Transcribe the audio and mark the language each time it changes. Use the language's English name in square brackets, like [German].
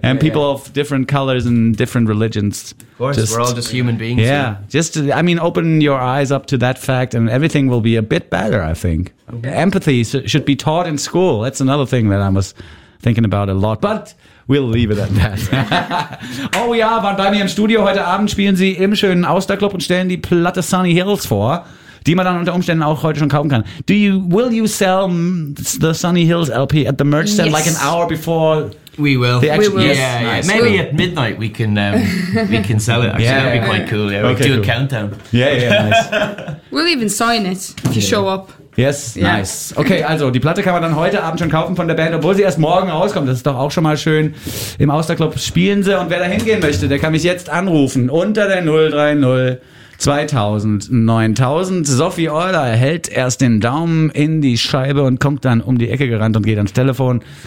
[English] And people of different colors and different religions. Of course, we're all just human beings. Yeah. Open your eyes up to that fact, and everything will be a bit better, I think. Okay. Empathy should be taught in school. That's another thing that I was thinking about a lot. But we'll leave it at that. Oh, we are, [German] waren bei mir im Studio. Heute Abend spielen sie im schönen Austerclub und stellen die Platte Sunny Hills vor, die man dann unter Umständen auch heute schon kaufen kann. [English] Will you sell the Sunny Hills LP at the merch stand like an hour before? We will. We will. Yeah, nice. Maybe at midnight we can sell it. Actually, that'd be quite cool. Yeah, okay, we'll do a countdown. Yeah, nice. We'll even sign it if you show up. Yes, nice. [German] Okay, also die Platte kann man dann heute Abend schon kaufen von der Band, obwohl sie erst morgen rauskommt. Das ist doch auch schon mal schön. Im Austerclub spielen sie, und wer da hingehen möchte, der kann mich jetzt anrufen unter der 030 2000 9000. Sophie Euler hält erst den Daumen in die Scheibe und kommt dann um die Ecke gerannt und geht ans Telefon.